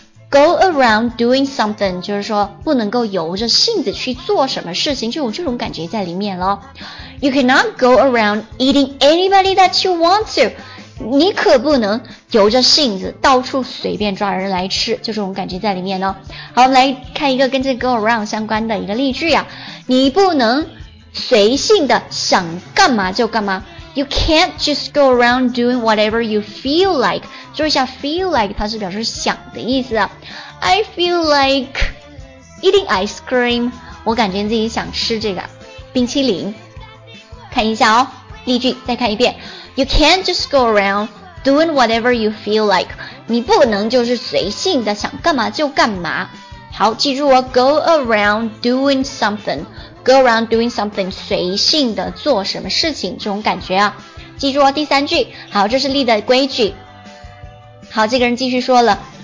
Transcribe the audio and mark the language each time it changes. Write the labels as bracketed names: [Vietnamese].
[Chinese] Go around doing something 就是说不能够由着性子去做什么事情，就有这种感觉在里面咯。 [English] You cannot go around eating anybody that you want to. [Chinese] 你可不能由着性子到处随便抓人来吃，就这种感觉在里面哦。好，我们来看一个跟这个 go around 相关的一个例句啊。你不能随性的想干嘛就干嘛。 [English] You can't just go around doing whatever you feel like. [Chinese] 注意一下 feel like 它是表示想的意思啊。 [English] I feel like eating ice cream. [Chinese] 我感觉自己想吃这个冰淇淋。看一下哦，例句再看一遍。 [English] You can't just go around doing whatever you feel like. [Chinese] 你不能就是随性的想干嘛就干嘛。好，记住哦， go around doing something. Go around doing something, 随性的做什么事情，这种感觉啊。记住哦，第三句。好，这是Lee的规矩。好，这个人继续说了。